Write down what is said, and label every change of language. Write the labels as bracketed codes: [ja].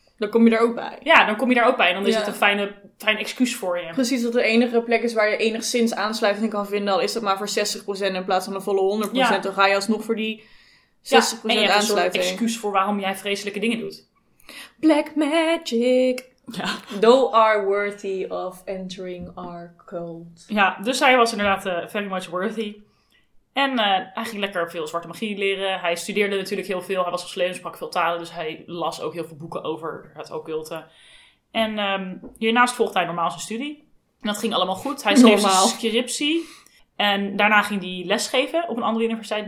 [nl] Dan kom je daar ook bij. Ja, dan kom je daar ook bij. En dan is het een fijn excuus voor je. Precies, dat de enige plek is waar je enigszins aansluiting kan vinden. Al is dat maar voor 60% in plaats van een volle 100%. Ja. Dan ga je alsnog voor die 60% aansluiting. Ja, en je hebt een soort excuus voor waarom jij vreselijke dingen doet. [en] Black magic. [nl] Ja. [en] They are worthy of entering our cult. [nl] Ja, dus hij was inderdaad [en] very much worthy. [nl] En hij ging lekker veel zwarte magie leren. Hij studeerde natuurlijk heel veel. Hij was geslepen, sprak veel talen. Dus hij las ook heel veel boeken over het occulte. En hiernaast volgde hij normaal zijn studie. En dat ging allemaal goed. Hij schreef zijn scriptie. En daarna ging hij lesgeven op een andere universiteit.